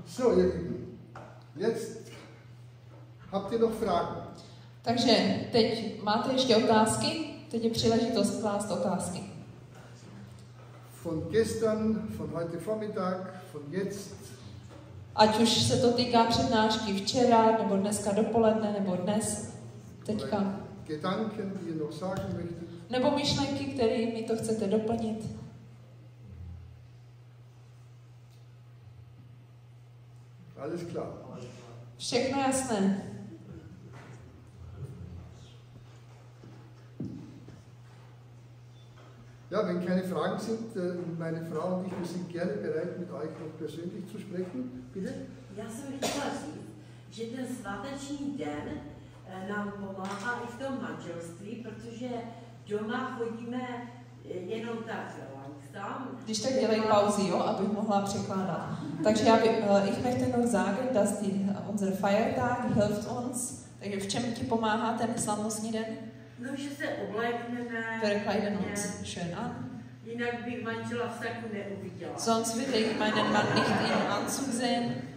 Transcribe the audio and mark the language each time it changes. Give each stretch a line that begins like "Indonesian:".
German: So, jetzt habt ihr noch Fragen.
Czech: Takže teď máte ještě otázky? Teď je příležitost klást otázky.
German: Von gestern, von heute Vormittag, von jetzt.
Czech: Ať už se to týká přednášky včera, nebo dneska dopoledne, nebo dnes, teďka.
German: Gedanken, die ihr noch sagen möchtet.
Czech: Nebo myšlenky, které mi to chcete doplnit.
German: Alles klar.
Czech: Všechno jasné.
German: Ja, wenn keine Fragen sind, meine Frau und ich, wir sind gerne bereit, mit euch noch persönlich zu sprechen. Bitte.
Czech: Já jsem chtěla říct, že ten sváteční den nám pomáhá i v tom manželství, protože doma chodíme jenom tak, jo. Když tak dělej pauzy, jo, abych mohla překládat. Takže já bych,
German: ich möchte noch sagen, dass unser Feiertag hilft uns.
Czech: Takže v čem ti pomáhá ten slavnostní den? No, že se oblékneme.
German: Verkleiden uns, schön an.
Czech: Jinak bych manžela v saku neuviděla.
German: Sonst würde ich meinen Mann nicht in Anzug sehen.